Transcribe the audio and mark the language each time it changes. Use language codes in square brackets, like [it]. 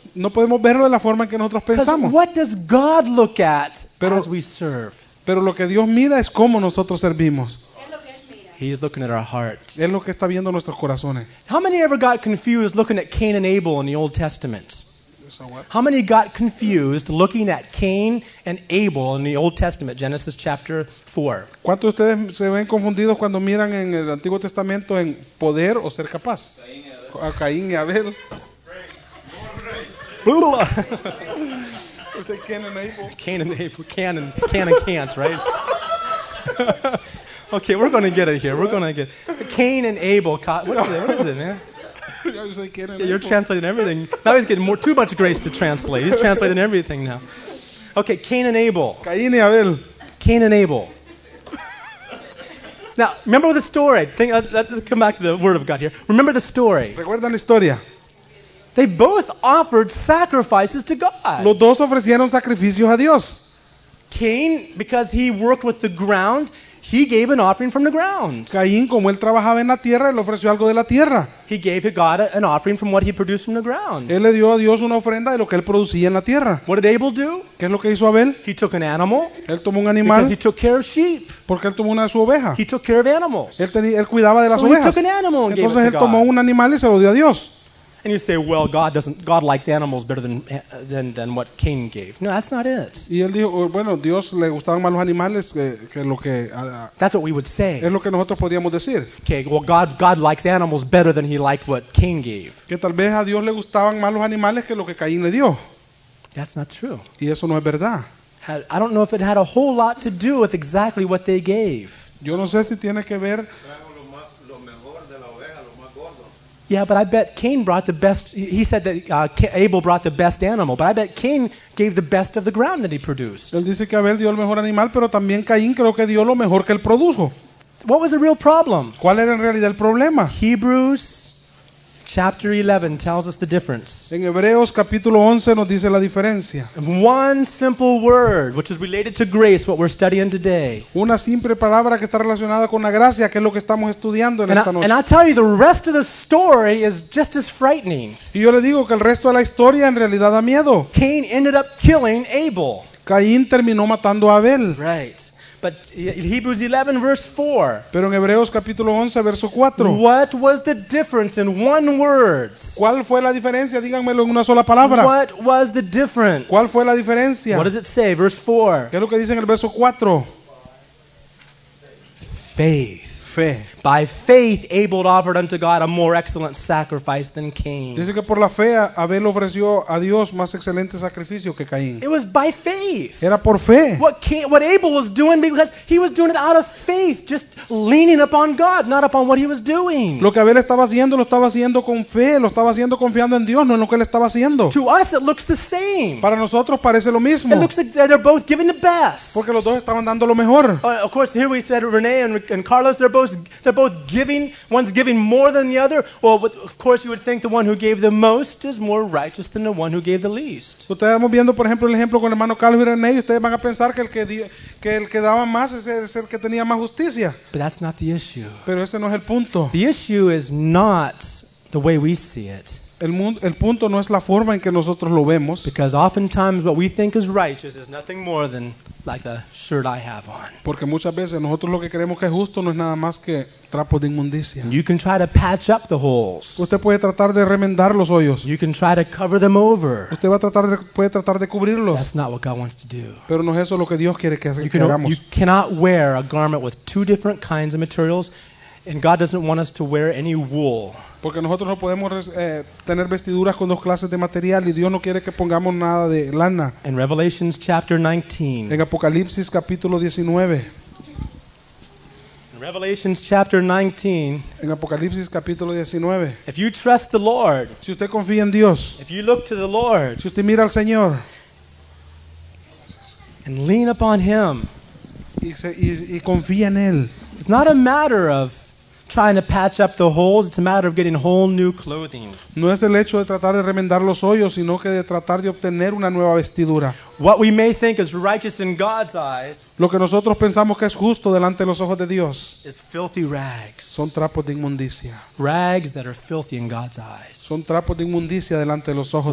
[es] No podemos verlo de la forma en que nosotros pensamos. [en] What does God look at as we serve? [es] Pero lo que Dios mira es cómo nosotros servimos. [en] He's looking at our hearts. [es] Es lo que está viendo nuestros corazones. [en] How many ever got confused looking at Cain and Abel in the Old Testament? How many got confused looking at Cain and Abel in the Old Testament, Genesis chapter 4? [es] ¿Cuántos de ustedes se ven confundidos cuando miran en el Antiguo Testamento en poder o ser capaz? A Caín y Abel. Bula. [en] You say Cain and Abel. Cain and Abel. Can and can't, right? Okay, we're going to get it here. We're going to get it. Cain and Abel. What is it, man? Yeah, you're translating everything. Now he's getting too much grace to translate. He's translating everything now. Okay, Cain and Abel. [es] Caín y Abel. [en] Cain and Abel. Now, remember the story. Let's come back to the Word of God here. Remember the story. [es] ¿Recuerdan la historia? [en] They both offered sacrifices to God. [es] Los dos ofrecieron sacrificios a Dios. [en] Cain, because he worked with the ground, he gave an offering from the ground. [es] Caín, como él trabajaba en la tierra, él ofreció algo de la tierra. [en] He gave God an offering from what he produced from the ground. [es] Él le dio a Dios una ofrenda de lo que él producía en la tierra. [en] What did Abel do? [es] ¿Qué es lo que hizo Abel? [en] He took an animal. [es] Él tomó un animal. [en] Because he took care of sheep. [es] Porque él tomó una de sus ovejas. [en] He took care of animals. [es] Él cuidaba de las [en] so [es] ovejas. [en] He took an animal and [es] entonces [en] gave [es] él tomó [en] God. [es] Un animal y se lo dio a Dios. [en] And you say, well, God likes animals better than what Cain gave. No, that's not it. [es] Y él dijo, bueno, Dios le gustaban más los animales que lo que. [en] That's what we would say. [es] Es lo que nosotros podríamos decir. [en] Okay, well, God likes animals better than he liked what Cain gave. [es] Que tal vez a Dios le gustaban más los animales que lo que Caín le dio. [en] That's not true. [es] Y eso no es verdad. [en] I don't know if it had a whole lot to do with exactly what they gave. [es] Yo no sé si tiene que ver. [en] Yeah, but I bet Cain brought the best. He said that Abel brought the best animal, but I bet Cain gave the best of the ground that he produced. [es] Él dice que Abel dio el mejor animal, pero también Caín creo que dio lo mejor que él produjo. [en] What was the real problem? [es] ¿Cuál era en realidad el problema? [en] Hebrews chapter 11 tells us the difference. [es] En Hebreos capítulo 11 nos dice la diferencia. [en] One simple word, which is related to grace, what we're studying today. [es] Una simple palabra que está relacionada con la gracia, que es lo que estamos estudiando en [en] and [es] esta noche. [en] And I tell you, the rest of the story is just as frightening. [es] Y yo le digo que el resto de la historia en realidad da miedo. [en] Cain ended up killing Abel. [es] Caín terminó matando a Abel. [en] Right. But Hebrews 11 verse 4. [es] Pero en Hebreos capítulo 11 verso 4. [en] What was the difference in one word? [es] ¿Cuál fue la diferencia? Díganmelo en una sola palabra. [en] What was the difference? [es] ¿Cuál fue la diferencia? [en] What does it say verse 4? [es] ¿Qué es lo que dice en el verso 4? [en] Faith. [es] Fe. [en] By faith Abel offered unto God a more excellent sacrifice than Cain. [es] Dice que por la fe Abel ofreció a Dios más excelente sacrificio que Caín. [en] It was by faith. [es] Era por fe. [en] What Abel was doing because he was doing it out of faith, just leaning upon God, not upon what he was doing. [es] Lo que Abel estaba haciendo lo estaba haciendo con fe, lo estaba haciendo confiando en Dios, no en lo que él estaba haciendo. [en] To us it looks the same. [es] Para nosotros parece lo mismo. [en] It looks like they're both giving the best. [es] Porque los dos estaban dando lo mejor. [en] Of course here we said René and Carlos they're both giving, one's giving more than the other. Well, of course you would think the one who gave the most is more righteous than the one who gave the least. [es] Ustedes están viendo, por ejemplo, el ejemplo con el hermano Carlos y René, ustedes van a pensar que el que daba más es el que tenía más justicia. [en] But that's not the issue. [es] Pero ese no es el punto. [en] The issue is not the way we see it. [es] El punto no es la forma en que nosotros lo vemos. [en] Because oftentimes what we think is righteous is nothing more than like the shirt I have on. [es] Porque muchas veces nosotros lo que creemos que es justo no es nada más que trapos de inmundicia. [en] You can try to patch up the holes. [es] Usted puede tratar de remendar los hoyos. [en] You can try to cover them over. [es] Usted puede tratar de cubrirlos. [en] That's not what God wants to do. [es] Pero no es eso lo que Dios quiere que hagamos. [en] You cannot wear a garment with two different kinds of materials, and God doesn't want us to wear any wool. [es] Porque nosotros no podemos tener vestiduras con dos clases de material y Dios no quiere que pongamos nada de lana. [en] In Revelation chapter 19. [es] En Apocalipsis capítulo 19. [en] In Revelation chapter 19. [es] En Apocalipsis capítulo 19. [en] If you trust the Lord. [es] Si usted confía en Dios. [en] If you look to the Lord. [es] Si usted mira al Señor. [en] and lean upon Him. [es] Y confía en Él. [en] It's not a matter of trying to patch up the holes. It's a matter of getting whole new clothing. [es] No es el hecho de tratar de remendar los hoyos, sino que de tratar de obtener una nueva vestidura. [en] What we may think is righteous in God's eyes. [es] Lo que nosotros pensamos que es justo delante de los ojos de Dios. [en] Is filthy rags. [es] Son trapos de inmundicia. [en] Rags that are filthy in God's eyes. [es] Son trapos de inmundicia delante de los ojos